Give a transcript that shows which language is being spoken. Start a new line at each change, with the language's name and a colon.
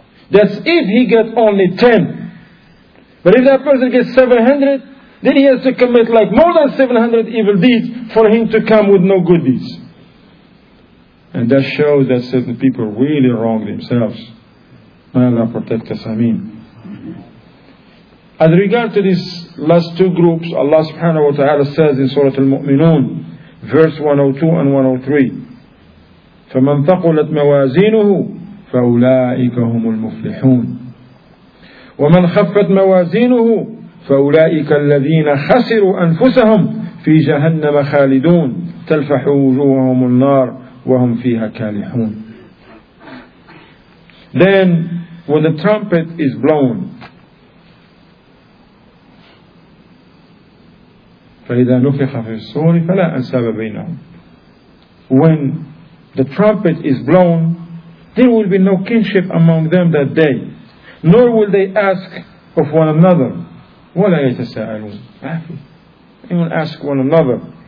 English: That's if he get only 10. But if that person gets 700, then he has to commit like more than 700 evil deeds for him to come with no good deeds. And that shows that certain people really wrong themselves. May Allah protect us. Ameen. As regard to these last two groups, Allah subhanahu wa ta'ala says in Surah Al-Mu'minun, verse 102 and 103,
Arabic: فَمَنْ ثَقُلَتْ مَوَازِينُهُ فَأُولَٰئِكَ هُمُ الْمُفْلِحُونَ وَمَنْ خَفَّتْ مَوَازِينُهُ فَأُولَٰئِكَ الَّذِينَ خَسِرُوا أَنفُسَهُمْ فِي جَهَنَّمَ خَالِدُونَ تَلْفَحُ وُجُوهَهُمُ النَّارُ وَهُمْ فِيهَا كَالِحُونَ.
English: Then, when the trumpet is blown,
Arabic: فَإِذَا نُفِخَ فِي الصُّورِ فَلَا أَنْسَابَ بَيْنَهُمْ.
English: When the trumpet is blown, there will be no kinship among them that day, nor will they ask of one another.
Arabic: ولا يتساءلون.
English: Anyone ask one another.